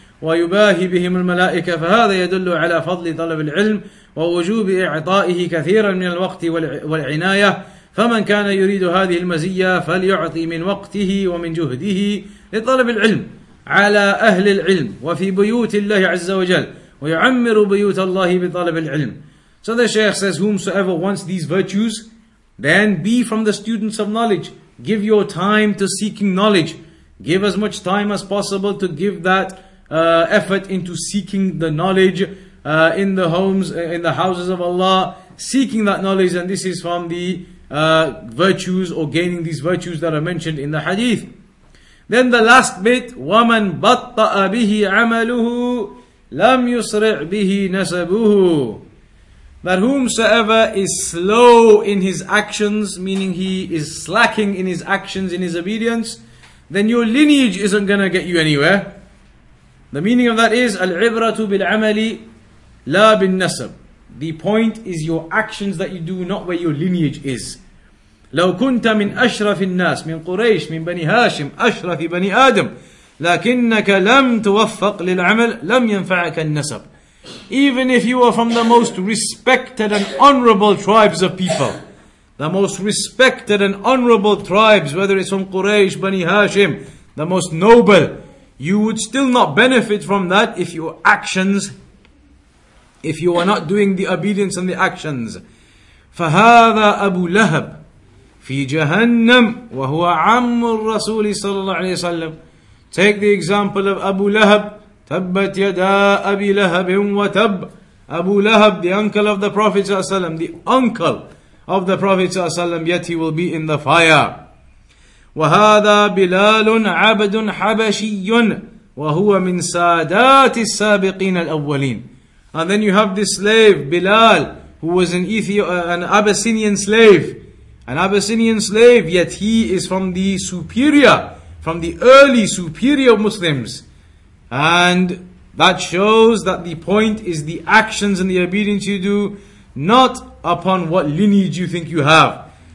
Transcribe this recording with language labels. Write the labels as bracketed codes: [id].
[ar] ويباهي بهم الملائكة, فهذا يدل على فضل طلب العلم ووجوب إعطائه كثيرا من الوقت والعناية. فمن كان يريد هذه المزية فليعطي من وقته ومن جهده لطلب العلم على أهل العلم وفي بيوت الله عز وجل ويعمر بيوت الله بطلب العلم. [en] So the Shaykh says, whomsoever wants these virtues, then be from the students of knowledge, Give your time to seeking knowledge. Give as much time as possible to give that effort into seeking the knowledge in the homes, in the houses of Allah, seeking that knowledge. And this is from the virtues, or gaining these virtues that are mentioned in the hadith. Then the last bit, [ar] وَمَنْ بَطَّأَ بِهِ عَمَلُهُ لَمْ يُسْرِعْ بِهِ نَسَبُهُ. [en] That whomsoever is slow in his actions, meaning he is slacking in his actions, in his obedience, then your lineage isn't going to get you anywhere. The meaning of that is, [ar] الْعِبْرَةُ بِالْعَمَلِ لَا بِالنَّسَبُ. [en] The point is your actions that you do, not where your lineage is. [ar] لو كنت من أشرف الناس من قريش من بني هاشم أشرف بني آدم لكنك لم توفق للعمل لم ينفعك النسب. [en] Even if you are from the most respected and honorable tribes of people, the most respected and honorable tribes, whether it's from Quraysh, Bani Hashim, the most noble, you would still not benefit from that if your actions, if you are not doing the obedience and the actions. [ar] فهذا أبو لهب في جهنم وهو عم الرسول صلى الله عليه وسلم. [en] Take the example of Abu Lahab. [ar] تبت يدا أبي لهب وتب. [en] Abu Lahab, the uncle of the Prophet صلى الله عليه وسلم, the uncle of the Prophet صلى الله عليه وسلم, yet he will be in the fire. [ar] وهذا بلال عبد حبشي وهو من سادات السابقين الأولين. [en] And then you have this slave, Bilal, who was an Abyssinian slave. An Abyssinian slave, yet he is from the superior, from the early superior Muslims. And that shows that the point is the actions and the obedience you do, not upon what lineage you think you have.